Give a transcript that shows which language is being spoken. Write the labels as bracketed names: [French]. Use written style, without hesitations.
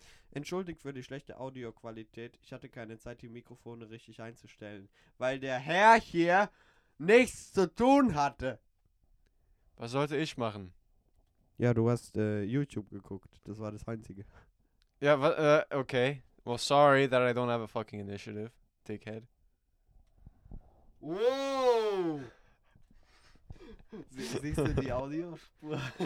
[German] Entschuldigt für die schlechte Audioqualität. Ich hatte keine Zeit, die Mikrofone richtig einzustellen, weil der Herr hier nichts zu tun hatte. Was sollte ich machen? Ja, du hast YouTube geguckt. Das war das Einzige. Ja, okay. [English] Well, sorry that I don't have a fucking initiative, dickhead. Wow! [German] Siehst du die Audiospur?